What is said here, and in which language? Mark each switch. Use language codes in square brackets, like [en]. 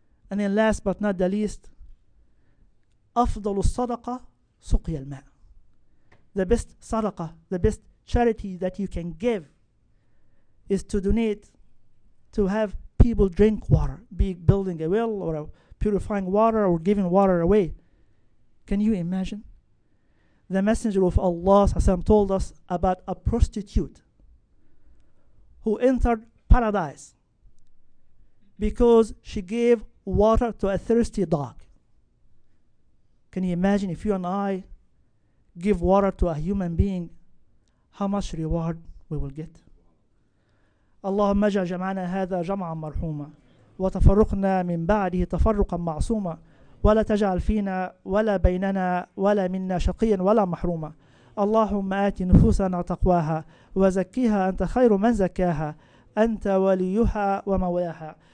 [en] And then last but not the least, [ar] أفضل الصدقة سقي الماء. [en] The best sadaqa, the best charity that you can give is to donate, to have people drink water, be it building a well or purifying water or giving water away. Can you imagine? The Messenger of Allah told us about a prostitute who entered paradise because she gave water to a thirsty dog. Can you imagine if you and I give water to a human being, how much reward we will get? [ar] اللهم اجعل جمعنا هذا جمعا مرحوما وتفرقنا من بعده تفرقا معصوما ولا تجعل فينا ولا بيننا ولا منا شقيا ولا محروما. اللهم آت نفوسنا تقواها وزكيها أنت خير من زكاها أنت وليها ومولاها.